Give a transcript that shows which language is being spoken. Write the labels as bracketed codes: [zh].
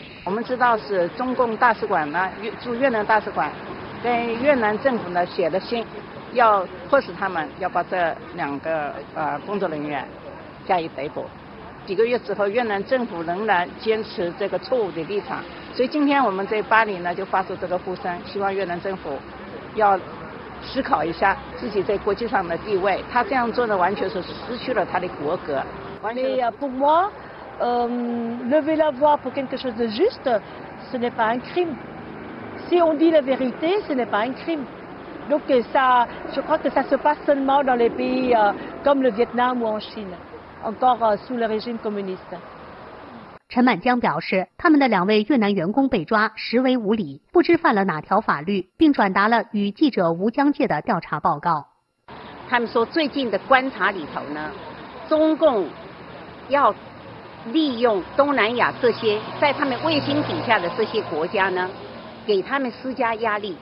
[zh] 我们知道是中共大使馆呢，驻越南大使馆跟越南政府呢写的信，要迫使他们要把这两个工作人员加以逮捕。几个月之后，越南政府仍然坚持这个错误的立场，所以今天我们在巴黎呢就发出这个呼声，希望越南政府要思考一下自己在国际上的地位。他这样做呢，完全是失去了他的国格。 [fr] Mais pour moi, lever la voix pour quelque chose de juste, ce n'est pas un crime. Si on dit la vérité, ce n'est pas un crime. Donc ça, je crois que ça se passe seulement dans les pays comme le Vietnam ou en Chine, encore sous le régime communiste. [zh] 陈满江表示，他们的两位越南员工被抓，实为无理，不知犯了哪条法律，并转达了与记者吴江介的调查报告。他们说，最近的观察里头呢，中共要利用东南亚这些在他们卫星底下的这些国家呢，给他们施加压力。